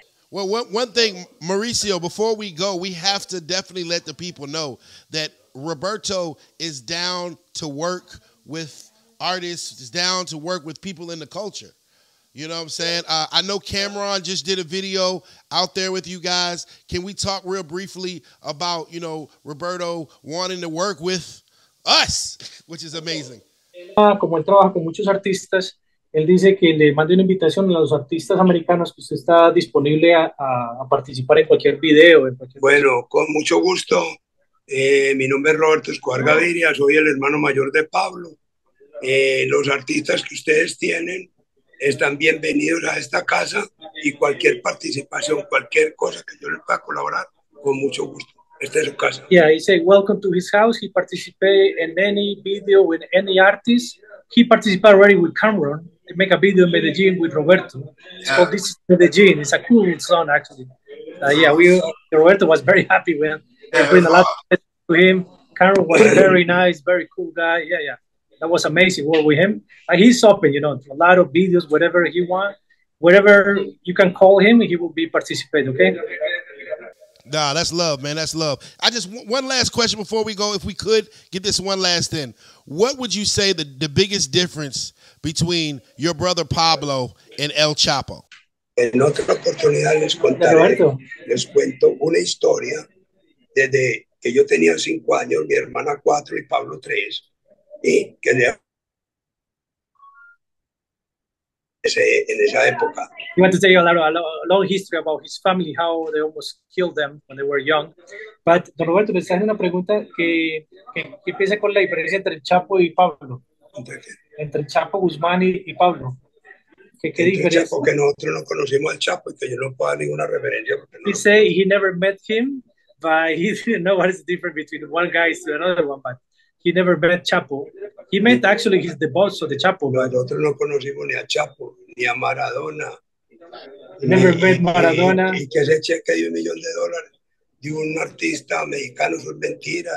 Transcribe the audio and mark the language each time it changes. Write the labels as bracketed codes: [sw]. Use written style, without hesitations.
[en] Well, one thing, Mauricio, before we go, we have to definitely let the people know that Roberto is down to work with artists, is down to work with people in the culture. You know what I'm saying? I know Camron just did a video out there with you guys. Can we talk real briefly about, you know, Roberto wanting to work with us, which is amazing. [es] Como él trabaja con muchos artistas, él dice que le mande una invitación a los artistas americanos que usted está disponible a participar en cualquier video. En cualquier... Bueno, con mucho gusto. Mi nombre es Roberto Escobar Gaviria. Soy el hermano mayor de Pablo. Los artistas que ustedes tienen están bienvenidos a esta casa y cualquier participación, cualquier cosa que yo les pueda colaborar, con mucho gusto. Esta es su casa. [en] Yeah, he said, welcome to his house. He participated in any video with any artist. He participated already with Camron to make a video in Medellin with Roberto. It's yeah. called This is Medellin. It's a cool song, actually. Roberto was very happy when they bring a lot to him. Camron was very nice, very cool guy. Yeah, yeah. That was amazing. Work with him. He's open, you know, a lot of videos, whatever he wants, whatever you can call him, he will be participating. Okay. Nah, that's love, man. That's love. I just one last question before we go, if we could get this one last in. What would you say the biggest difference between your brother Pablo and El Chapo? [es] En otra oportunidad les contaré. Les cuento una historia desde que yo tenía 5 años, mi hermana 4 y Pablo 3. In esa época. [en] He wanted to tell you a long history about his family, how they almost killed them when they were young. But [es] Don Roberto, me está haciendo una pregunta que piensa con la diferencia entre el Chapo y Pablo. Entre el Chapo Guzmán y Pablo. ¿Qué diferencia? El Chapo, que nosotros no conocimos al Chapo y que yo no puedo dar ninguna referencia. [en] He never met him, but he didn't know what is the difference between one guy to another one, but he never met Chapo. He met actually he's the boss of the Chapo. [es] Nosotros no conocimos ni a Chapo, ni a Maradona. [en] He never met Maradona. [es] Y que ese cheque de $1 million de un artista mexicano es mentira.